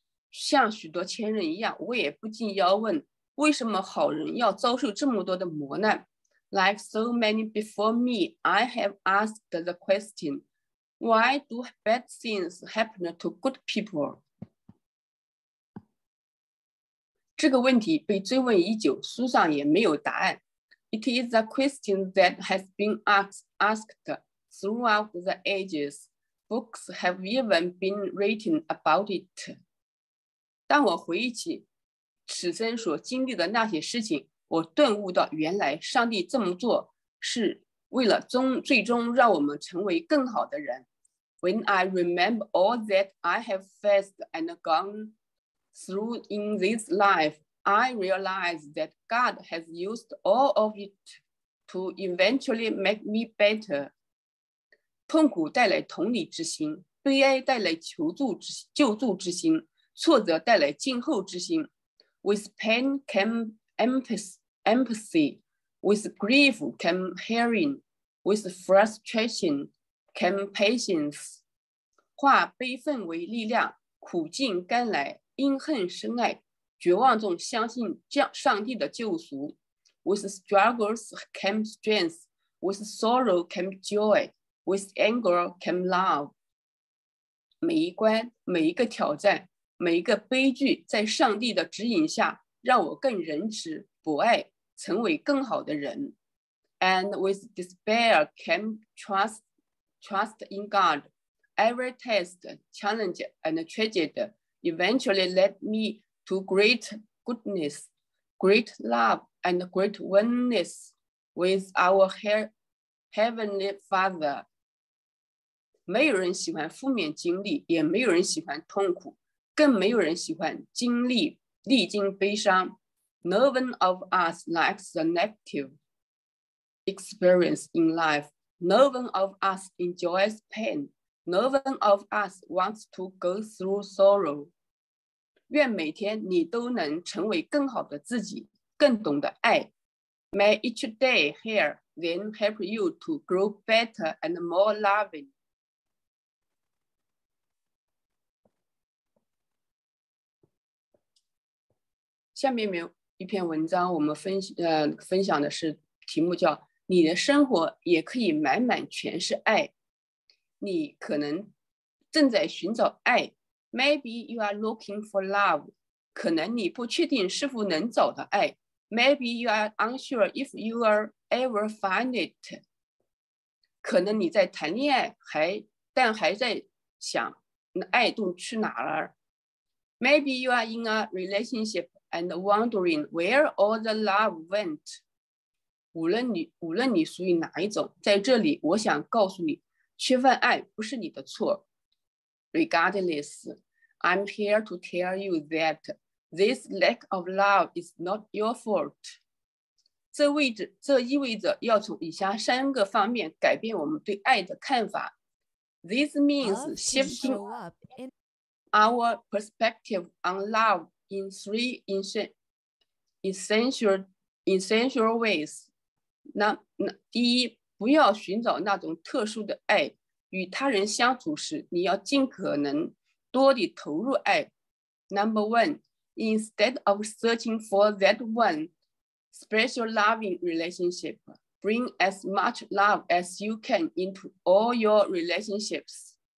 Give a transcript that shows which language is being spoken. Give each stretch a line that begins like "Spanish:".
Chinese: 像许多前人一样，我也不禁要问，为什么好人要遭受这么多的磨难？
English: Like so many before me, I have asked the question, why do bad things happen to good people?
Chinese: 这个问题被追问已久，书上也没有答案。
English: It is a question that has been asked throughout the ages. Books have even been written about it.
Chinese: 当我回忆起此生所经历的那些事情，我顿悟到原来上帝这么做是为了最终让我们成为更好的人。
English: When I remember all that I have faced and gone through in this life, I realize that God has used all of it to eventually make me better.
Chinese: 痛苦带来同理之心，悲哀带来求助之救助之心，挫折带来静候之心。
English: With pain came empathy, with grief came hearing, with frustration came patience.
Chinese: 化悲愤为力量，苦尽甘来，因恨生爱，绝望中相信上帝的救赎。
English: With struggles came strength, with sorrow came joy, with anger came love.
Chinese: 每一关，每一个挑战，每一个悲剧，在上帝的指引下，让我更仁慈、博爱，成为更好的人。
English: And with despair came trust in God. Every test, challenge, and tragedy eventually led me to great goodness, great love, and great oneness with our Heavenly Father.
Chinese: 没有人喜欢负面经历，也没有人喜欢痛苦，更没有人喜欢经历历经悲伤。
English: No one of us likes the negative experience in life. No one of us enjoys pain. No one of us wants to go through sorrow.
Chinese: 愿每天你都能成为更好的自己，更懂得爱。
English: May each day here then help you to grow better and more loving.
Chinese: 下面有一篇文章，我们 分享的是题目叫你的生活也可以满满全是爱。你可能正在寻找爱，
English: Maybe you are looking for love，
Chinese: 可能你不确定是否能找到爱，
English: Maybe you are unsure if you are ever find it，
Chinese: 可能你在谈恋爱，但还在想爱都去哪儿。
English: Maybe you are in a relationshipand wondering where all the love went.
Chinese: 无论你属于哪一种，在这里我想告诉你，缺乏爱不是你的错。
English: Regardless, I'm here to tell you that this lack of love is not your fault.
Chinese: 这意味着要从以下三个方面改变我们对爱的看法。
English: This means shifting our perspective on love. In three essential ways.
Chinese: 第一，不要寻找那种特殊的爱。与他人相处时，你要尽可能多地投入爱。
English: Number one, instead of searching for that one special loving relationship, bring as much love as you can into all your relationships.